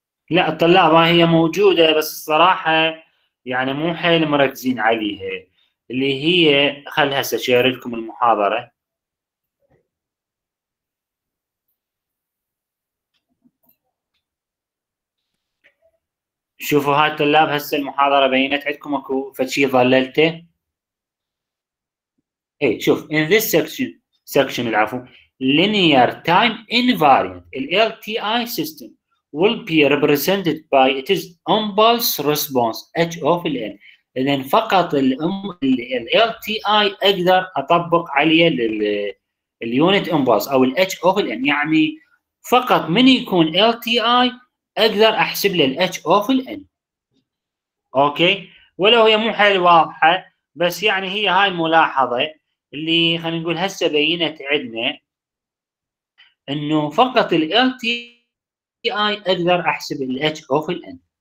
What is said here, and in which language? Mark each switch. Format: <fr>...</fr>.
<ar>لا الطلاب هي موجودة، بس الصراحة يعني مو حيل مركزين عليها، اللي هي خلها هسه اشير لكم المحاضرة. شوفوا هاي الطلاب، هسه المحاضرة بينت عندكم اكو فشي ظللته. اي شوف،</ar> <en>in this section العفو linear time invariant ال LTI system will be represented by its impulse response h of ال n.</en> <ar>اذا فقط ال LTI اقدر اطبق عليه اليونت امبلس او ال h of ال n، يعني فقط من يكون LTI اقدر احسب له ال h of ال n. اوكي، ولو هي مو حيل واضحه، بس يعني هي هاي الملاحظه اللي خلينا نقول هسه بينت عندنا، انه فقط ال LTI اقدر احسب ال H of ال N.</ar>